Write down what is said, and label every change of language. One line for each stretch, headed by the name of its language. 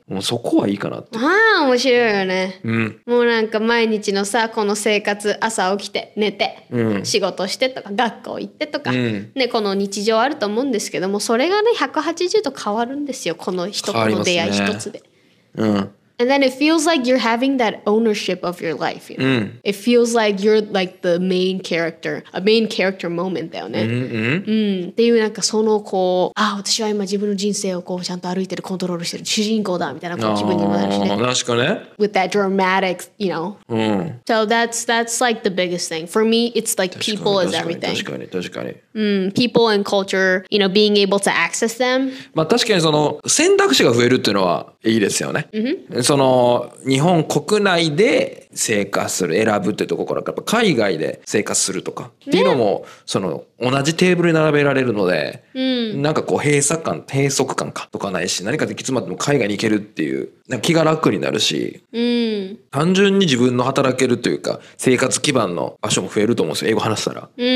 Japanese: もうそこはいいかなって。まあ面白いよね。うん、もうなんか毎日のさ、この生活、朝起きて、寝て、仕事してとか、学校行ってとか、ね、この日常あると思うんですけども、それがね、180度変わるんですよ、この人との出会い一つで。
English: And then it feels like you're having that ownership of your life. You know? It feels like you're like the main character, a main character moment だよね。
Japanese: っていうなんかそのこう、ああ私は今自分の人生をこうちゃんと歩いてる、コントロールしてる主人公だみたいなこう自分にもなるしね。確かね。
English: With that dramatic, you know. So that's like the biggest thing. For me, it's like people is everything.
Japanese: 確かに。
English: People and culture, you know, being able to access them.
Japanese: まあ確かにその選択肢が増えるっていうのはいいですよね。その日本国内で生活する選ぶってところから海外で生活するとか、ね、っていうのもその同じテーブルに並べられるので、なんかこう閉塞感かとかないし、何かでいつまでも海外に行けるっていう、なんか気が楽になるし、単純に自分の働けるというか生活基盤の場所も増えると思うんですよ、英語話したら。